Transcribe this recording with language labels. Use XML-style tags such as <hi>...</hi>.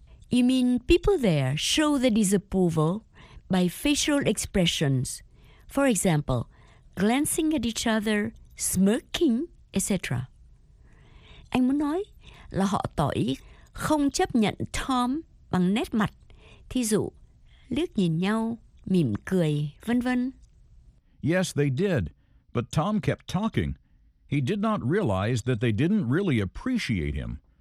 <en>You mean people there show their disapproval by facial expressions. For example, glancing at each other, smirking, etc.</en> <vi>Anh muốn nói là họ tỏ ý không chấp nhận Tom bằng nét mặt. Thí dụ, liếc nhìn nhau, mỉm cười, vân vân.</vi> <en>Yes, they did. But Tom kept talking. He did not realize that they didn't really appreciate him.</en>